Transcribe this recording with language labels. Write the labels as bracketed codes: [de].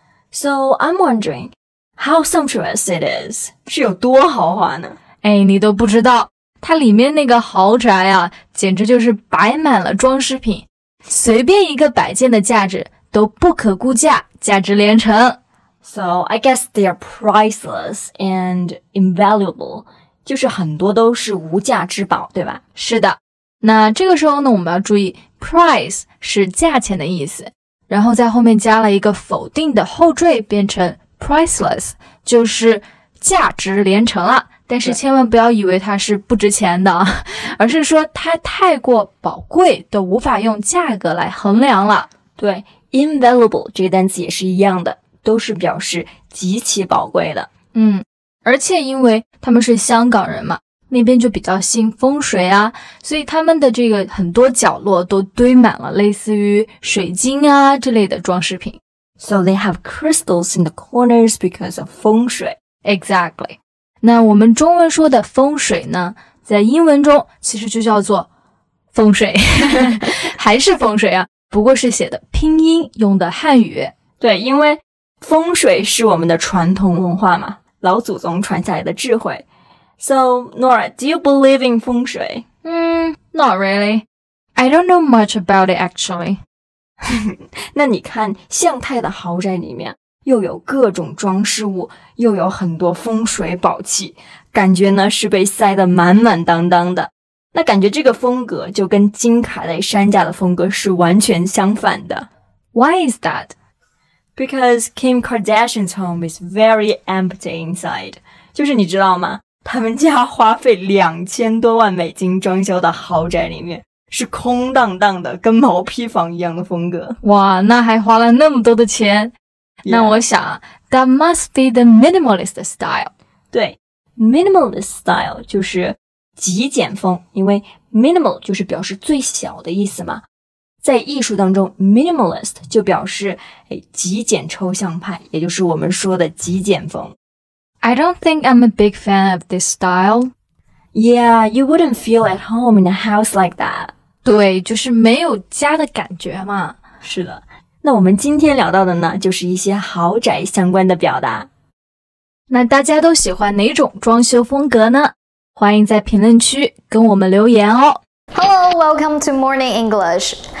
[en] So I'm wondering how sumptuous it is. [zh] 是有多豪华呢？哎，你都不知道，它里面那个豪宅啊，简直就是摆满了装饰品，随便一个摆件的价值都不可估价，价值连城。 [en] So I guess they are priceless and invaluable. [zh] 就是很多都是无价之宝，对吧？是的。那这个时候呢，我们要注意 price 是价钱的意思。然后在后面加了一个否定的后缀，变成 priceless， 就是价值连城了。但是千万不要以为它是不值钱的，而是说它太过宝贵，都无法用价格来衡量了。对， invaluable 这个单词也是一样的，都是表示极其宝贵的。嗯，而且因为他们是香港人嘛，那边就比较信风水啊，所以他们的这个很多角落都堆满了类似于水晶啊之类的装饰品。 [en] So they have crystals in the corners because of 风水。 Exactly. [zh] 那我们中文说的风水呢，在英文中其实就叫做风水，还是风水啊，不过是写的拼音，用的汉语。对，因为风水是我们的传统文化嘛，老祖宗传下来的智慧。 [en] So, Nora, do you believe in 风水? Not really. I don't know much about it, actually. [zh] 那你看，向太的豪宅里面又有各种装饰物，又有很多风水宝器，感觉呢是被塞得满满当当的。那感觉这个风格就跟金凯雷山家的风格是完全相反的。 [en] Why is that? Because Kim Kardashian's home is very empty inside. [zh] 就是你知道吗？他们家花费2000多万美金装修的豪宅里面是空荡荡的，跟毛坯房一样的风格。哇，那还花了那么多的钱。 [en] Yeah. [zh] 那我想 [en] That must be the minimalist style. [zh] 对， minimalist style 就是极简风，因为 minimal 就是表示最小的意思嘛，在艺术当中 minimalist 就表示、哎、极简抽象派，也就是我们说的极简风。 [en] I don't think I'm a big fan of this style. Yeah, you wouldn't feel at home in a house like that. [zh] 对，就是没有家的感觉嘛。是的，那我们今天聊到的呢，就是一些豪宅相关的表达。那大家都喜欢哪种装修风格呢？欢迎在评论区跟我们留言哦。 [en] Hello, welcome to Morning English.